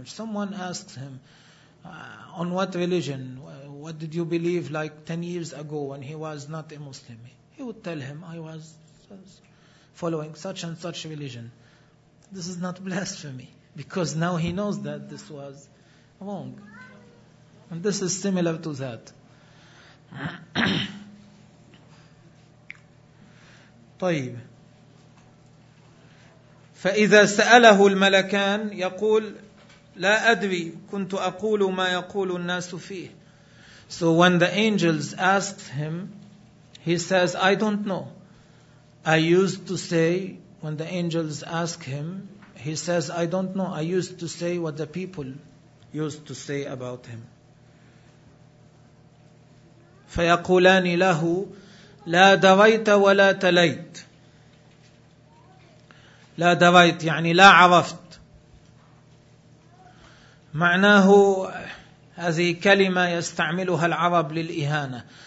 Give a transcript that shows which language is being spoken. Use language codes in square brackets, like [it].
[en] If someone asks him, on what religion, what did you believe like 10 years ago when he was not a Muslim? He would tell him, I was following such and such religion. This is not blasphemy, because now he knows that this was wrong. And this is similar to that. [ar] طيب فإذا سأله الملكان يقول لا أدري كنت أقول ما يقول الناس فيه. [en] So when the angels asked him, he says, I don't know. I used to say, when the angels ask him, he says, I don't know. I used to say what the people used to say about him. [ar] فيقولان له لا دريت ولا تليت. لا دريت يعني لا عرفت. معناه هذه كلمة يستعملها العرب للإهانة.